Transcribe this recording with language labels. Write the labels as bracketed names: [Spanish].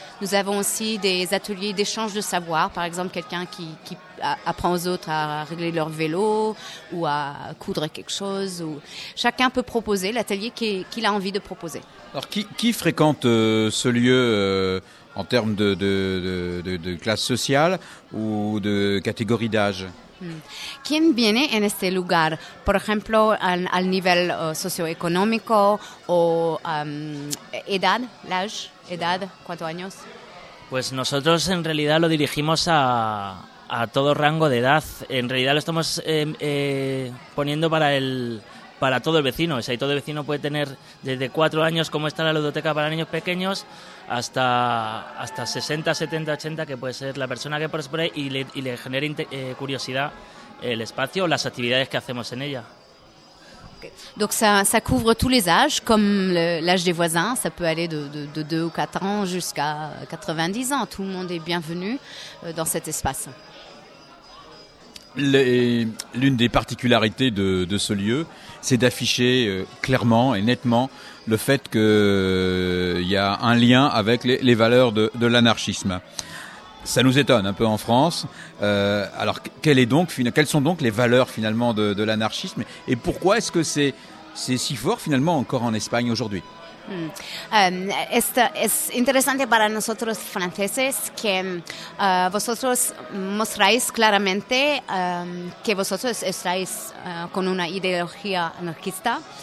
[French] Nous avons aussi des ateliers d'échange de savoir, par exemple quelqu'un qui apprend aux autres à régler leur vélo ou à coudre quelque chose. Chacun peut proposer l'atelier qu'il a envie de proposer. Alors, qui fréquente ce lieu en termes de classe sociale ou de catégorie d'âge? [Spanish] ¿Quién viene en este lugar? Por ejemplo, al nivel socioeconómico o edad, [French] l'âge, [Spanish] edad, ¿cuántos años? Pues nosotros en realidad lo dirigimos a todo rango de edad. En realidad lo estamos poniendo para todo el vecino. O sea, y todo el vecino puede tener desde 4 años, como está la ludoteca para niños pequeños, hasta 60, 70, 80, que puede ser la persona que pase por ahí y le genere curiosidad el espacio o las actividades que hacemos en ella. [French] Donc ça couvre tous les âges, comme l'âge des voisins, ça peut aller de 2 ou 4 ans jusqu'à 90 ans. Tout le monde est bienvenu dans cet espace. L'une des particularités de ce lieu, c'est d'afficher clairement et nettement le fait qu'il y a un lien avec les valeurs de l'anarchisme. Ça nous étonne un peu en France. Alors, quelles sont donc les valeurs finalement de l'anarchisme, et pourquoi est-ce que c'est si fort finalement encore en Espagne aujourd'hui? [Spanish] Esto es interesante para nosotros franceses, que vosotros mostráis claramente que vosotros estáis con una ideología anarquista.